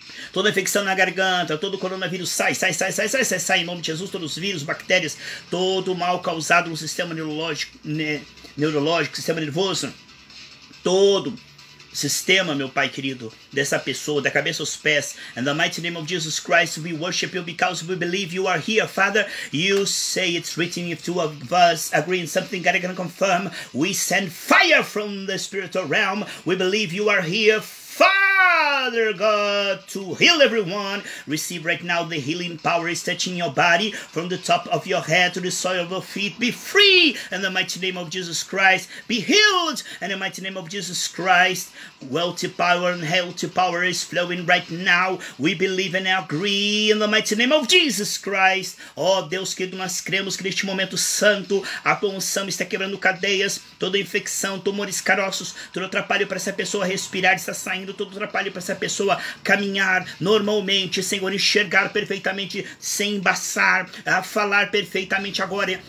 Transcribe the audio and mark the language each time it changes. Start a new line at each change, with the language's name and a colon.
Portuguese: Toda infecção na garganta, todo coronavírus sai, sai, sai, sai, sai, sai, sai. Em nome de Jesus, todos os vírus, bactérias, todo mal causado no sistema neurológico, sistema nervoso, todo sistema, meu Pai querido, dessa pessoa, da cabeça aos pés.
English: In the mighty name of Jesus Christ, we worship you because we believe you are here, Father. You say it's written, if two of us agree in something, God is going to confirm. We send fire from the spiritual realm. We believe you are here, Father God, to heal everyone. Receive right now the healing power is touching your body from the top of your head to the soil of your feet. Be free in the mighty name of Jesus Christ. Be healed in the mighty name of Jesus Christ. Wealthy power and healthy power is flowing right now. We believe and agree in the mighty name of Jesus Christ.
Portuguese: Oh, Deus querido, nós cremos que neste momento santo a tua unção está quebrando cadeias, toda infecção, tumores, caroços, todo atrapalho para essa pessoa respirar, está saindo, todo atrapalho para essa pessoa caminhar normalmente, Senhor, enxergar perfeitamente, sem embaçar, a falar perfeitamente agora.